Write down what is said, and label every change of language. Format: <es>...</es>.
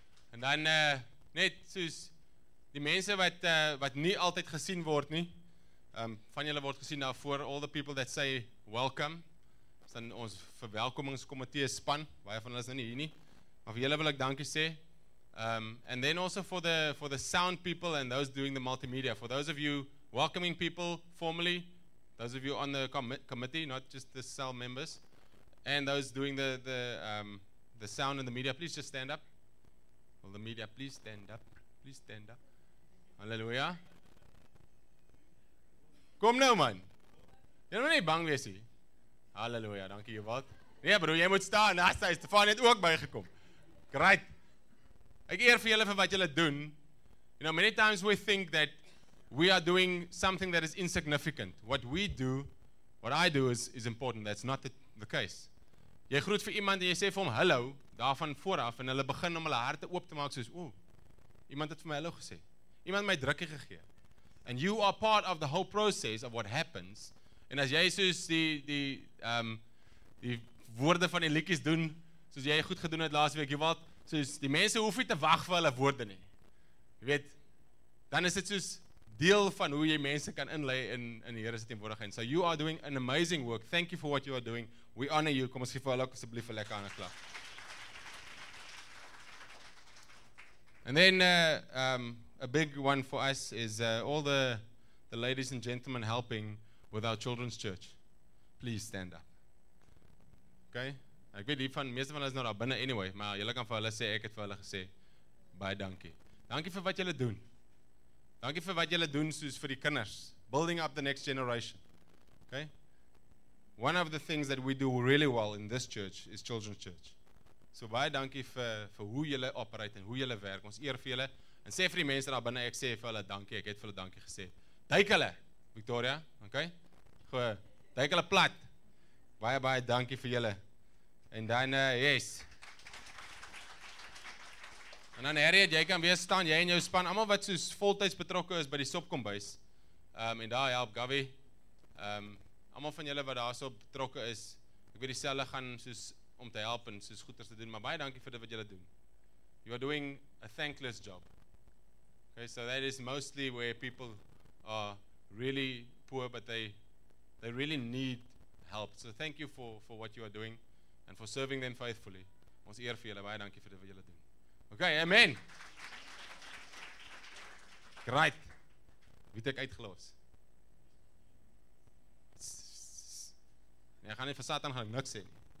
<af>En dan net soos die mense wat nie altyd gesien word nie.</af> <en>Van julle word gesien daar voor, all the people that say welcome.</en> <af>Dan ons verwelkomingskomitee span, baie van hulle is nou nie hier nie. Maar vir julle wil ek dankie sê.</af> <en>And then also for the sound people and those doing the multimedia, for those of you welcoming people formally, those of you on the committee, not just the cell members, and those doing the sound and the media, please just stand up. Well, the media, please stand up. Please stand up. Halleluja.</en> <af>Kom nou man. Jy moet nie bang wees nie. Halleluja, dankie Jovald. Nee bro, jy moet staan, Nasta is Stefan het ook bygekom. Great. Ek eer vir julle vir wat julle doen.</af> <en>You know, many times we think that we are doing something that is insignificant. What we do, what I do is important. That's not the case.</en> <af>Jy groet vir iemand en jy sê vir hom hallo, daarvan vooraf en hulle begin om hulle harte oop te maak soos, ooh, iemand het vir my hallo gesê. Iemand my drukkie gegee.</af> <en>And you are part of the whole process of what happens.</en> <af>En as jy soos die woorde van die liedjies doen, soos jy goed gedoen het laas week, Jovald, soos die mense hoef nie te wag vir hulle woorde nie. Jy weet, dan is dit soos deel van hoe jy mense kan inlei in die Here se teenwoordigheid.</af> <en>So you are doing an amazing work. Thank you for what you are doing. We honor you.</en> <af>Kom ons gee vir hulle asseblief 'n lekker handeklap.</af> <en>And then a big one for us is all the ladies and gentlemen helping with our children's church. Please stand up. Okay?</en> <af>Ek weet hiervan, meeste van hulle is nou daar binne anyway, maar julle kan vir hulle sê, ek het vir hulle gesê, baie dankie. Dankie vir wat julle doen. Dankie vir wat julle doen soos vir die kinders.</af> <en>Building up the next generation. Okay? One of the things that we do really well in this church is children's church.</en> <af>So baie dankie vir hoe julle operate en hoe julle werk. Ons eer vir julle. En sê vir die mense daar binne, ek sê vir hulle dankie, ek het vir hulle dankie gesê. Duik hulle! Victoria, okay? Goeie, duik hulle plat. Baie, baie dankie vir julle. En dan, yes. En dan Harriet, jy kan weer staan, jy en jou span, allemaal wat soos voltyds betrokke is by die sopkombuis. En daar help Gavi. Almal van julle wat daarso betrokke is, ek weet dieselfde gaan soos om te help en soos goeders te doen, maar baie dankie vir dit wat julle doen.</af> <en>You are doing a thankless job. Okay, so that is mostly where people are really poor, but they really need help. So thank you for what you are doing and for serving them faithfully.</en> <af>Ons eer vir julle, baie dankie vir dit wat julle doen. Okay, amen. Great. Wie het ek uitgelos? Nee, ek gaan nie vir Satan gaan niks sê nie.</af>